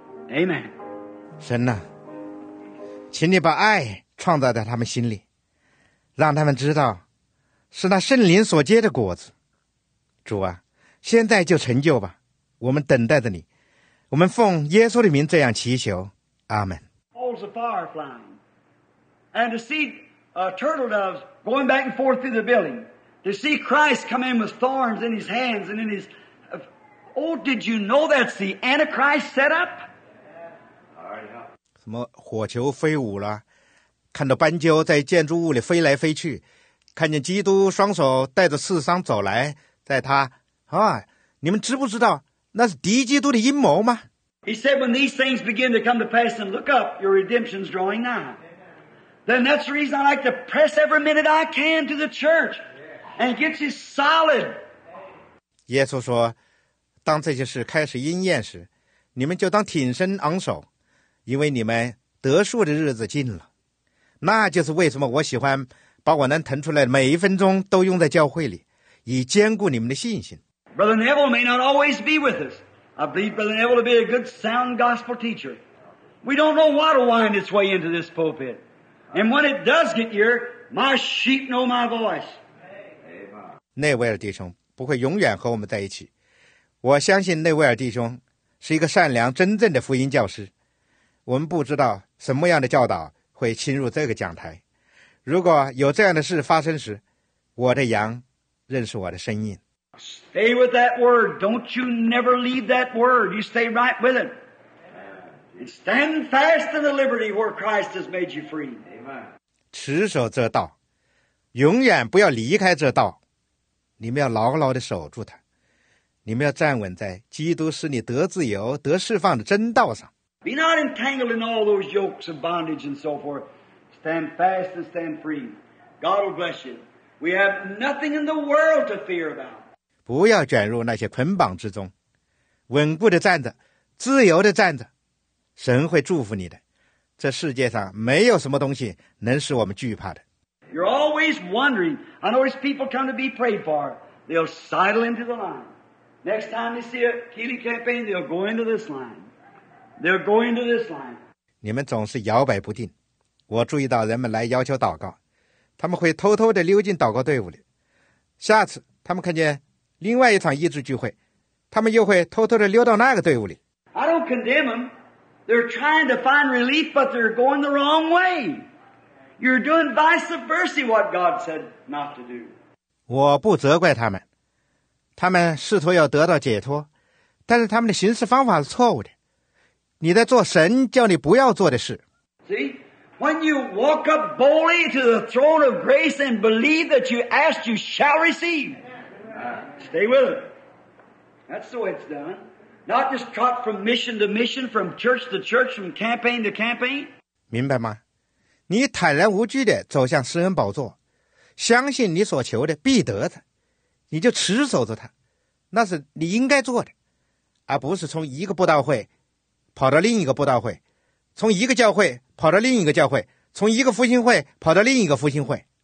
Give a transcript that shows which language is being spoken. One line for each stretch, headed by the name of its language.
English: Amen.
Chinese: 神啊，请你把爱创造在他们心里，让他们知道是那圣灵所结的果子。主啊，现在就成就吧，我们等待着你。我们奉耶稣的名这样祈求，阿们。
English: Balls of fire flying. And to see、turtle doves going back and forth through the building. To see Christ come in with thorns in his hands and in his... Oh, did you know that's the Antichrist set up? Yeah.
Chinese: 什么火球飞舞了，看到斑鸠在建筑物里飞来飞去，看见基督双手带着刺伤走来，在他啊，你们知不知道那是敌基督的阴谋吗？
English: He said when these things begin to come to pass and look up, your redemption's drawing nigh. Then that's the reason I like to press every minute I can to the church and get you solid.
Chinese: 耶稣说，当这些事开始应验时，你们就当挺身昂首，因为你们得数的日子近了。那就是为什么我喜欢把我能腾出来的每一分钟都用在教会里，以坚固你们的信心。
English: Brother Neville may not always be with us. I believe Brother Neville to be a good sound gospel teacher. We don't know what will wind its way into this pulpit. And when it does get here, my sheep know my voice.
Chinese: 内威尔弟兄不会永远和我们在一起。我相信内威尔弟兄是一个善良真正的福音教师。我们不知道什么样的教导会侵入这个讲台。如果有这样的事发生时，我的羊认识我的声音。
English: Stay with that word. Don't you never leave that word. You stay right with it. Stand fast in the liberty where Christ has made you free.
Chinese: 持守这道，永远不要离开这道。你们要牢牢地守住它。你们要站稳在基督使你得自由、得释放的真道上。
English: Be not entangled in all those yokes of bondage and so forth. Stand fast and stand free. God will bless you. We have nothing in the world to fear about.
Chinese: 不要卷入那些捆绑之中，稳固地站着，自由地站着。神会祝福你的，这世界上没有什么东西能使我们惧怕的。
English: You're always wondering. I know these people come to be prayed for. They'll sidle into the line. Next time they see a Keeley campaign, they'll go into this line. They'll go into this line.
Chinese: 你们总是摇摆不定。我注意到人们来要求祷告，他们会偷偷地溜进祷告队伍里。下次他们看见另外一场医治聚会，他们又会偷偷地溜到那个队伍里。
English: I don't condemn them. They're trying to find relief, but they're going the wrong way. You're doing vice versa what God said not to do.
Chinese: 我不责怪他们，他们试图要得到解脱，但是他们的行事方法是错误的。你在做神叫你不要做的事。
English: See, when you walk up boldly to the throne of grace and believe that you asked, you shall receive. Stay with it. That's the way it's done. Not just trot from mission to mission, from church to church, from campaign to campaign.
Chinese: 明白吗？你坦然无惧地走向施恩宝座，相信你所求的必得的，你就持守着它，那是你应该做的，而不是从一个布道会跑到另一个布道会，从一个教会跑到另一个教会，从一个复兴会跑到另一个复兴会。